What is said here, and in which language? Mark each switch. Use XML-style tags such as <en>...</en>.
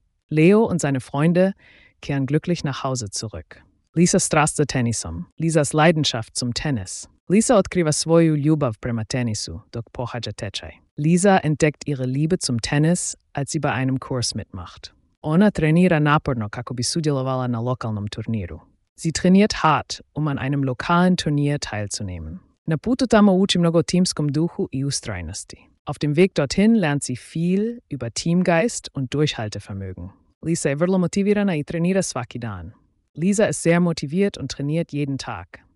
<de>Leo und seine Freunde kehren glücklich nach Hause zurück.</de> <hr>Lisa strast za tenisom.</hr> <de>Lisas Leidenschaft zum Tennis.</de> <hr>Lisa otkriva svoju ljubav prema tenisu, dok pohađa tečaj.</hr> <de>Lisa entdeckt ihre Liebe zum Tennis, als sie bei einem Kurs mitmacht.</de> <hr>Ona trenira naporno kako bi sudjelovala na lokalnom turniru.</hr> <de>Sie trainiert hart, um an einem lokalen Turnier teilzunehmen.</de> <hr>Na putu tamo uči mnogo timskom duhu i ustrajnosti.</hr> <de>Auf dem Weg dorthin lernt sie viel über Teamgeist und Durchhaltevermögen.</de> <hr>Lisa je vrlo motivirana i trenira svaki dan.</hr> <de>Lisa ist sehr motiviert und trainiert jeden Tag.</de>